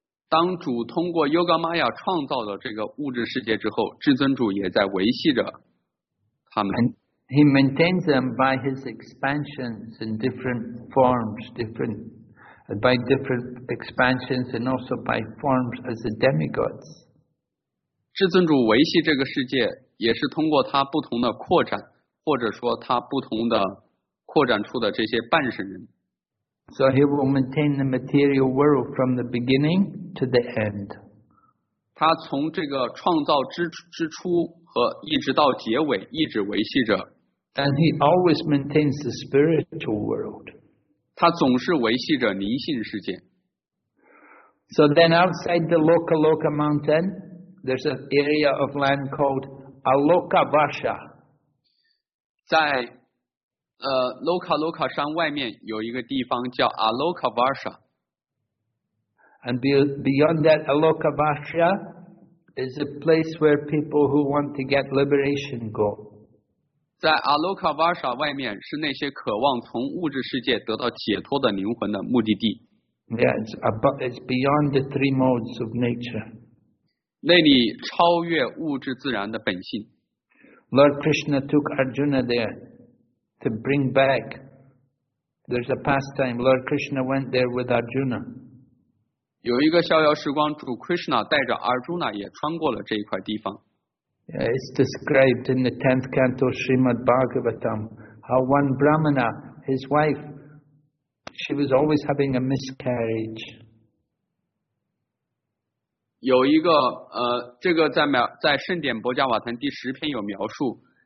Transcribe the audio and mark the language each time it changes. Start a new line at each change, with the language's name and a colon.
Chinese: 当主通过 Yoga Maya 创造了这个物质世界之后，至尊主也在维系着他们。
English: And he maintains them by his expansions in different forms, different expansions and also by forms as the demigods.
Chinese: 至尊主维系这个世界也是通过他不同的扩展，或者说他不同的扩展出的这些半神人。
English: So he will maintain the material world from the beginning to the end.
Chinese: 他从这个创造之初和一直到结尾一直维系着。
English: And he always maintains the spiritual world.
Chinese: 他总是维系着灵性世界。
English: So then outside the Loka mountain, there's an area of land called Aloka Vasha.
Chinese: 在Loka 山外面有一个地方叫 Aloka Vasha.
English: And beyond that Aloka Vasha is a place where people who want to get liberation go.
Chinese: 在 Aloka Vasha 外面是那些渴望从物质世界得到解脱的灵魂的目的地。
English: Yeah, it's beyond the three modes of nature.
Chinese: 那里超越物质自然的本性。
English: Lord Krishna took Arjuna there. To bring back, there's a pastime. Lord Krishna went there with Arjuna.
Chinese: 有一个逍遥时光，主 Krishna 带着 Arjuna 也穿过了这一块地方。
English: It's described in the 10th canto Srimad Bhagavatam how one Brahmana, his wife, she was always having a miscarriage.
Chinese: 有一个这个在圣典薄伽瓦坛第十篇有描述。